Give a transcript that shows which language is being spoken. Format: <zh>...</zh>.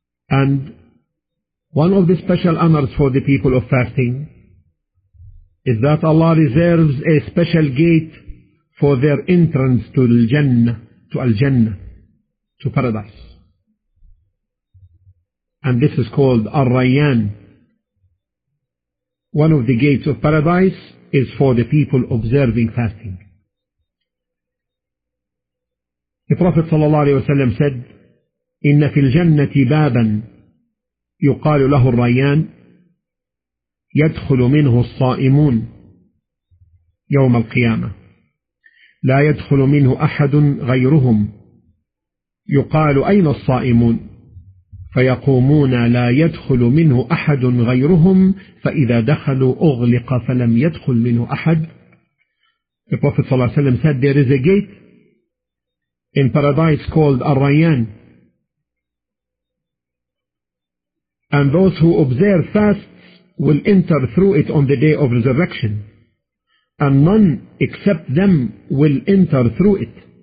<en>And one of the special honors for the people of fasting is that Allah reserves a special gate for their entrance to al-Jannah, to paradise. And this is called Ar-Rayyan. One of the gates of paradise is for the people observing fasting. The Prophet ﷺ said,</en> <ar>إِنَّ فِي الْجَنَّةِ بَابًا يُقَالُ لَهُ الرَّيَّانِ يَدْخُلُ مِنْهُ الصَّائِمُونَ يَوْمَ الْقِيَامَةِ لَا يَدْخُلُ مِنْهُ أَحَدٌ غَيْرُهُمْ يُقَالُ أَيْنَ الصَّائِمُونَ فيقومون لا يدخل منه أحد غيرهم فإذا دخلوا أغلق فلم يدخل منه أحد.</ar> <en>The Prophet صلى الله عليه وسلم said, there is a gate in paradise called Ar-Rayyan, and those who observe fasts will enter through it on the day of resurrection, and none except them will enter through it.</en>